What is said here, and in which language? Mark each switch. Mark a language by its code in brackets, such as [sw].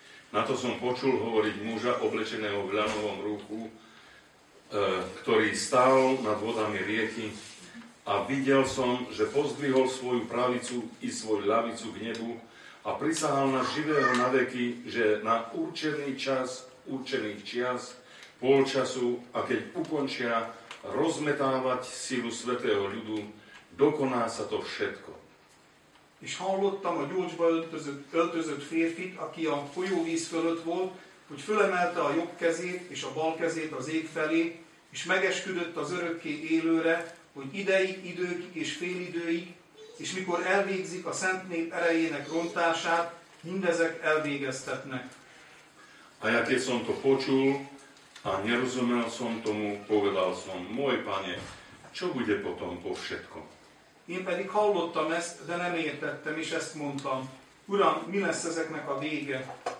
[sk] Na to som počul hovoriť muža oblečeného v ľanovom rúchu, ktorý stál nad vodami rieky a videl som, že pozdvihol svoju pravicu i svoju ľavicu k nebu a prisahal na živého na veky, že na určený čas, určených čias, pol času a keď ukončia rozmetávať silu svätého ľudu, dokoná sa to všetko. [hu] És hallottam a gyócsba öltözött férfit, aki a folyóvíz fölött volt, hogy fölemelte a jobb kezét és a bal kezét az ég felé, és megesküdött az örökké élőre, hogy ideig, időkig és félidőig, és mikor elvégzik a szent nép erejének rontását, mindezek elvégeztetnek. [sk] A ja keď som to počul a nerozumel som tomu, povedal som, môj pane, čo bude potom po všetkom? [hu] Én pedig hallottam ezt, de nem értettem, és ezt mondtam. Uram, mi lesz ezeknek a vége?